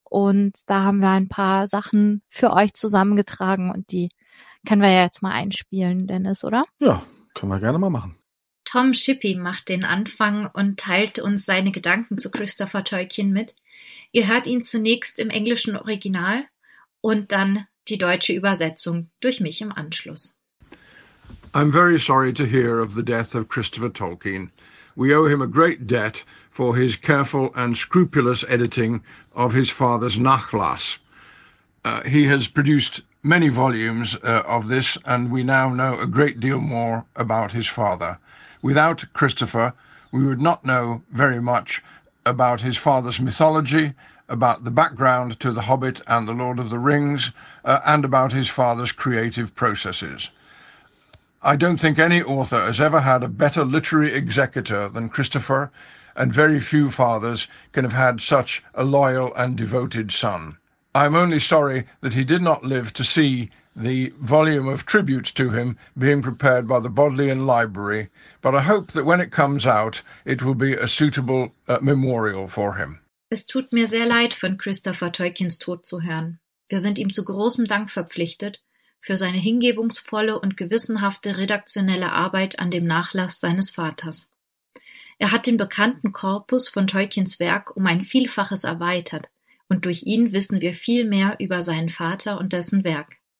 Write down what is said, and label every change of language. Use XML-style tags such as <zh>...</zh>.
<de>Und da haben wir ein paar Sachen für euch zusammengetragen und die können wir ja jetzt mal einspielen, Dennis, oder? Ja, können wir gerne mal machen. Tom Shippey macht den Anfang und teilt uns seine Gedanken zu Christopher Tolkien mit. Ihr hört ihn zunächst im englischen Original und dann die deutsche Übersetzung durch mich im Anschluss.</de> <en>I'm very sorry to hear of the death of Christopher Tolkien. We owe him a great debt for his careful and scrupulous editing of his father's Nachlass. He has produced many volumes of this and we now know a great deal more about his father. Without Christopher, we would not know very much about his father's mythology, about the background to The Hobbit and The Lord of the Rings, and about his father's creative processes. I don't think any author has ever had a better literary executor than Christopher, and very few fathers can have had such a loyal and devoted son. I'm only sorry that he did not live to see the volume of tributes to him being prepared by the Bodleian Library, but I hope that when it comes out, it will be a suitable memorial for him.</en> <de>Es tut mir sehr leid, von Christopher Tolkiens Tod zu hören. Wir sind ihm zu großem Dank verpflichtet für seine hingebungsvolle und gewissenhafte redaktionelle Arbeit an dem Nachlass seines Vaters. Er hat den bekannten Korpus von Tolkiens Werk um ein Vielfaches erweitert und durch ihn wissen wir viel mehr über seinen Vater und dessen Werk.</de>